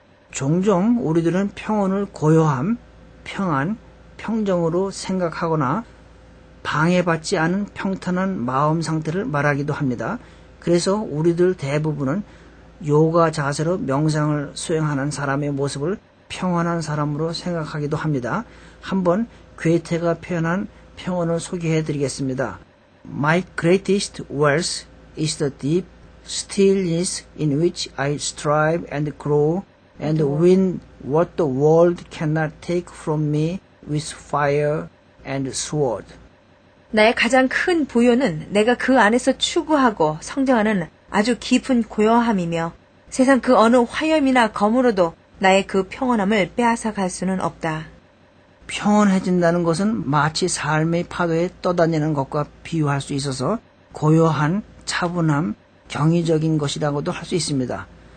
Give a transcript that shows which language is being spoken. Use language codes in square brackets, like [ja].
[ko] 종종 우리들은 평온을 고요함, 평안, 평정으로 생각하거나 방해받지 않은 평탄한 마음 상태를 말하기도 합니다. 그래서 우리들 대부분은 요가 자세로 명상을 수행하는 사람의 모습을 평안한 사람으로 생각하기도 합니다. 한번 괴테가 표현한 평온을 소개해 드리겠습니다. [en] My greatest wealth is the deep stillness in which I strive and grow and win what the world cannot take from me with fire and sword. [ko] 나의 가장 큰 부요는 내가 그 안에서 추구하고 성장하는 아주 깊은 고요함이며 세상 그 어느 화염이나 검으로도 나의 그 평온함을 빼앗아 갈 수는 없다. 평온해진다는 것은 마치 삶의 파도에 떠다니는 것과 비유할 수 있어서 고요한 차분함, 경이적인 것이라고도 할 수 있습니다.